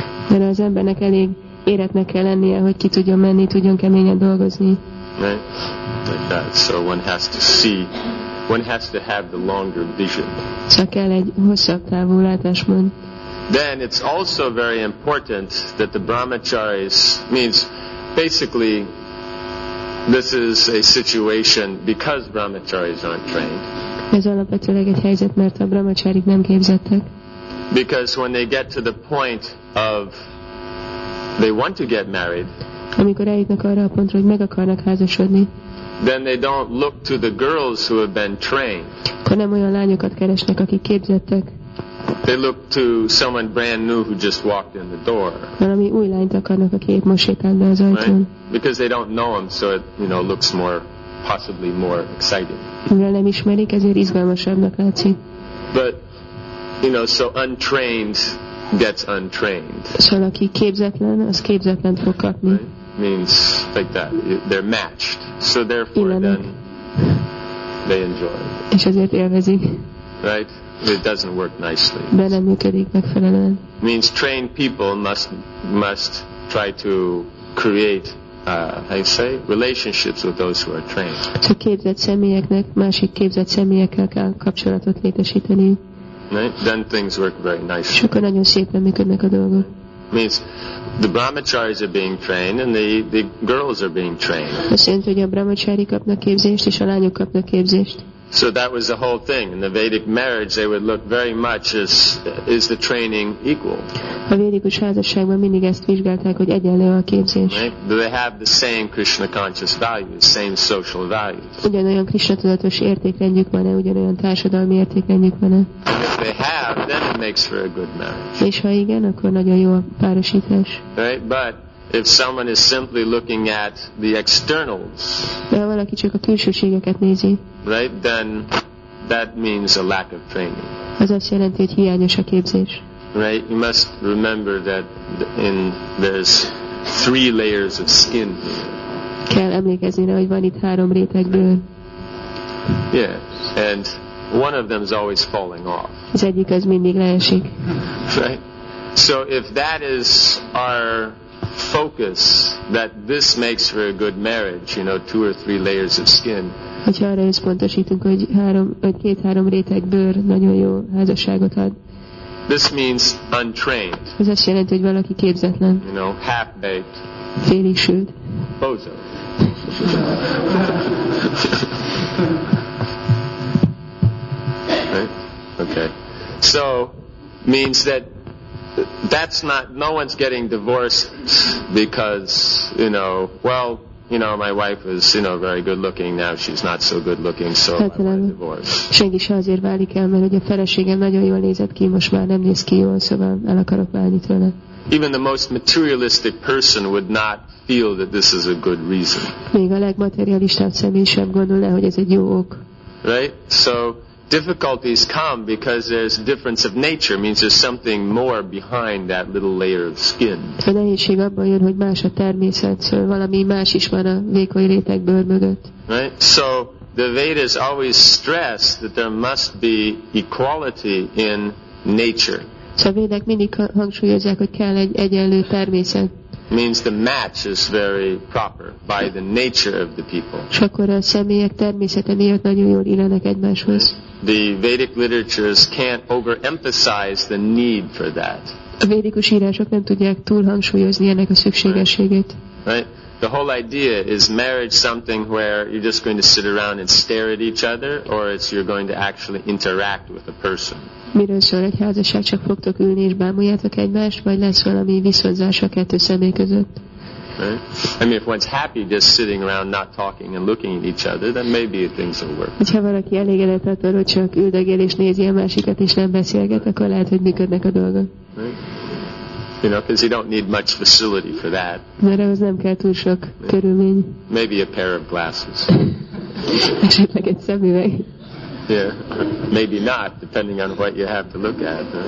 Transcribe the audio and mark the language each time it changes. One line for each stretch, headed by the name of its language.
Hungarian: De az embernek elég éretnek kell lennie, hogy ki tudjon menni, tudjon keményen dolgozni.
English: Right, like that. So one has to see. One has to have the longer vision.
Hungarian: Csak kell egy hosszabb távú látásmód.
English: Then it's also very important that the brahmacharis means basically this is a situation because brahmacharis aren't trained.
Hungarian: Ez alapvetőleg egy helyzet, mert a brahmacharik nem képzettek.
English: Because when they get to the point of they want to get married.
Hungarian: Amikor eljutnak arra a pontra, hogy meg akarnak házasodni.
English: Then they don't look to the girls who have been trained.
Hungarian: Akkor nem olyan lányokat keresnek, akik képzettek.
English: They look to someone brand new who just walked in the door.
Hungarian: Valami új lányt akarnak, aki épp most sétált be az ajtón.
English: Right? Because they don't know him, so it, you know, looks more, possibly more exciting.
Hungarian: Mivel nem ismerik, ezért izgalmasabbnak látszik.
English: But, you know, so untrained gets untrained.
Hungarian: Szóval aki képzetlen, az képzetlent fog kapni.
English: Right? Means like that. They're matched. So therefore then they enjoy.
Hungarian: És ezért élvezik.
English: Right? It doesn't work nicely.
Hungarian: De nem működik megfelelően.
English: Means trained people must try to create, how you say, relationships with those who are trained.
Hungarian: Csak képzett személyeknek, másik képzett személyekkel kell kapcsolatot létesíteni.
English: Then things work very nicely.
Hungarian: És akkor nagyon szépen működnek a dolgok.
English: Means the brahmacharis are being trained and the girls are being trained.
Hungarian: Azt jelenti, hogy a brahmacharik kapnak képzést és a lányok kapnak képzést.
English: So that was the whole thing. In the Vedic marriage, they would look very much as is the training equal.
Hungarian: A védikus házasságban mindig ezt vizsgálták, hogy egyenlő a képzés.
English: Right? They have the same Krishna conscious values, same social values.
Hungarian: Ugyanolyan Krishna tudatos értékrendjük van-e, ugyanolyan társadalmi értékrendjük van-e?
English: If they have, then it makes for a good marriage.
Hungarian: És ha igen, akkor nagyon jó a párosítás.
English: Right? But if someone is simply looking at the externals,
Hungarian: de ha valaki csak a külsőségeket nézi,
English: right, then that means a lack of training.
Hungarian: Az azt jelenti, hogy hiányos a képzés.
English: Right, you must remember that in there's three layers of skin.
Hungarian: Kell emlékezni, hogy van itt három réteg bőr.
English: Yeah, and one of them is always falling off.
Hungarian: Az egyik az mindig leesik.
English: Right, so if that is our focus, that this makes for a good marriage, you know, two or three layers of skin.
Hungarian: Hogyha arra összpontosítunk, hogy három, vagy két-három réteg bőr nagyon jó házasságot ad.
English: This means untrained.
Hungarian: Ez azt jelenti, hogy valaki képzetlen.
English: You know, half-baked.
Hungarian: Félig sült.
English: Bozo. Okay. So, means that that's not, no one's getting divorced because, you know, well, you know, my wife is, you know, very good looking, now she's not so good looking, so I'm getting divorced.
Hungarian: Senki se azért válik el, mert hogy a feleségem nagyon jól nézett ki, most már nem néz ki jól, szóval el akarok válni tőle.
English: Even the most materialistic person would not feel that this is a good reason.
Hungarian: Még a legmaterialistább személy sem gondolná, hogy ez egy jó ok.
English: Right? So difficulties come because there's a difference of nature, means there's something more behind that little layer of skin.
Hungarian: A nehézség abban jön, hogy más a természet, szóval valami más is van a vékony réteg bőr mögött.
English: Right? So the Vedas always stress that there must be equality in nature.
Hungarian: Szóval a Védák mindig hangsúlyozzák, hogy kell egy egyenlő természet.
English: Means the match is very proper by the nature of the people.
Hungarian: És akkor a személyek természete miatt nagyon jól illenek egymáshoz.
English: The Vedic literatures can't overemphasize the need for that.
Hungarian: A védikus írások nem tudják túlhangsúlyozni ennek a szükségességét.
English: Right? The whole idea is marriage something where you're just going to sit around and stare at each other, or it's you're going to actually interact with a person.
Hungarian: Miről szól egy házasság, csak fogtok ülni és bámuljátok egymást, vagy lesz valami viszonzás a kettő személy között?
English: Right? I mean, if one's happy just sitting around not talking and looking at each other, then maybe things will work.
Hungarian: Hogyha valaki elégedett attól, hogy csak üldögél és nézi a másikat és nem beszélget, akkor lehet, hogy működnek a dolgok.
English: Right? You know, because you don't need much facility for that.
Hungarian: Mert ahhoz nem kell túl sok körülmény.
English: Maybe a pair of glasses.
Hungarian: Esetleg egy szemüveg.
English: Yeah, maybe not, depending on what you have to look at.